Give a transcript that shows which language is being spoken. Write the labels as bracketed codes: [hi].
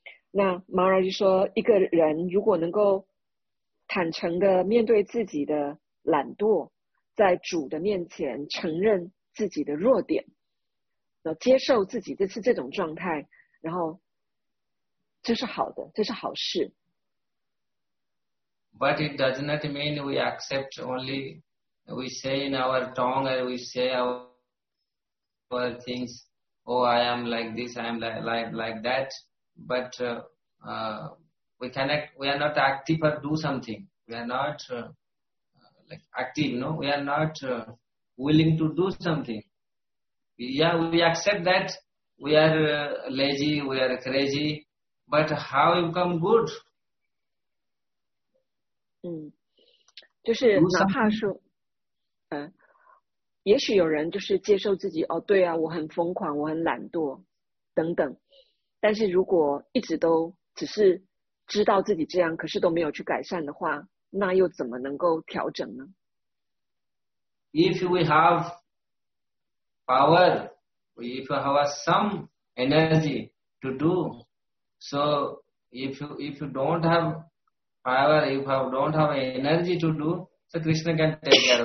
[zh] 那 Maharaj 说一个人如果能够坦诚地面对自己的懒惰，在主的面前承认自己的弱点，接受自己这种状态，然后这是好的，这是好事。 [en] But it does not mean we accept only, we say in our tongue and we say our things, oh I am like this, I am like that, but we are not active or do something. We are not active, no? We are not willing to do something. Yeah, we accept that we are lazy, we are crazy, but how you become good? [zh] 就是哪怕说，也许有人就是接受自己，哦，对啊，我很疯狂，我很懒惰，等等。但是如果一直都只是知道自己这样，可是都没有去改善的话，那又怎么能够调整呢？ [en] If we have power, if we have some energy to do, so if you don't have power, if you don't have energy to do, so Krishna can take care.